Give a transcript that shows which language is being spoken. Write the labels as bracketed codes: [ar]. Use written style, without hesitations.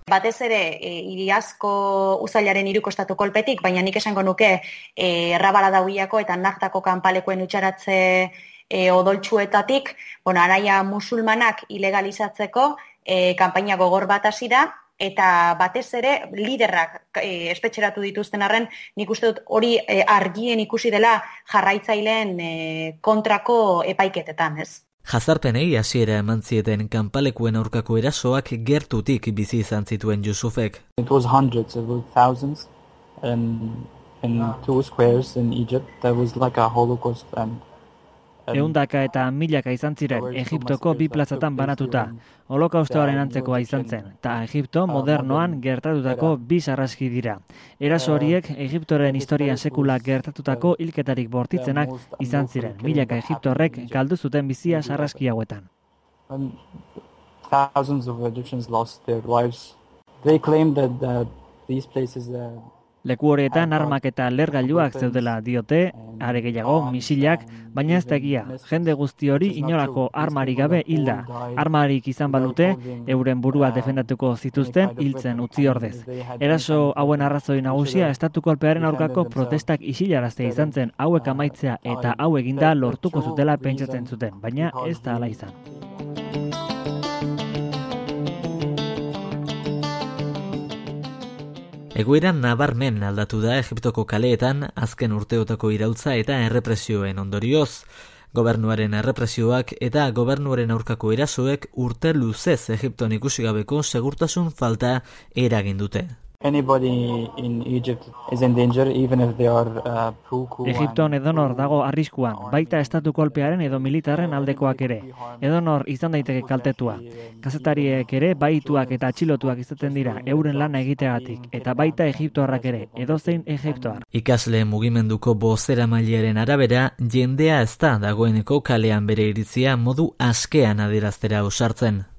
[eu] Batez ere iriazko uzailaren hiruko estatu kolpetik, baina nik esango nuke Rabala dauiako eta Nahtako kanpalekoen utxaratze odoltsuetatik, bueno, anaia musulmanak ilegalizatzeko kanpaina gogor bat hasi da, eta batez ere liderrak espetxeratu dituzten arren, nik uste dut hori argien ikusi dela jarraitzaileen kontrako epaiketetan, ez? Jazarpenei hasiera eman zieten kanpalekuen aurkako erasoak gertutik bizi izan zituen Yusufek. [en] It was hundreds, it was thousands, in two squares in Egypt, there was like a Holocaust and [eu] 100 eta 1000 izan ziren Egiptoko bi plazatan banatuta. Holokaustoaren antzekoa izan zen, eta Egipto modernoan gertatutako bi sarraski dira. Eraso horiek Egiptoren historian sekula gertatutako hilketarik bortitzenak izan ziren. 1000 Egiptorrek galdu zuten bizia sarraski hauetan. [en] Thousands of Egyptians lost their lives. They claimed that these places [eu] leku horietan armak eta lergailuak zeudela diote, are gehiago misilak, baina ez da egia. Jende guzti hori inolako armarik gabe hilda. Armarik izan balute, euren burua defendatuko zituzten hiltzen utzi ordez. Eraso hauen arrazoi nagusia estatu kolpearen aurkako protestak isilaraztea izan zen, hauek amaitzea eta hau eginda lortuko zutela pentsatzen zuten, baina ez da hala izan. Egoera nabarmen aldatu da Egiptoko kaleetan azken urteotako irautza eta errepresioen ondorioz. Gobernuaren errepresioak eta gobernuaren aurkako erasoek urte luzez Egipton ikusi gabeko segurtasun falta eragin dute. [en] Anybody in Egypt is in danger, even if they are Puku. [eu] Egipton edonor dago arriskuan, baita estatu kolpearen edo militarren aldekoak ere. Edonor izan daiteke kaltetua. Kazetariek ere bahituak eta atxilotuak izaten dira euren lana egiteagatik, eta baita egiptoarrak ere, edozein egiptoar. Ikasle mugimenduko bozeramailearen arabera, jendea ez da dagoeneko kalean bere iritzia modu askean adieraztera usartzen.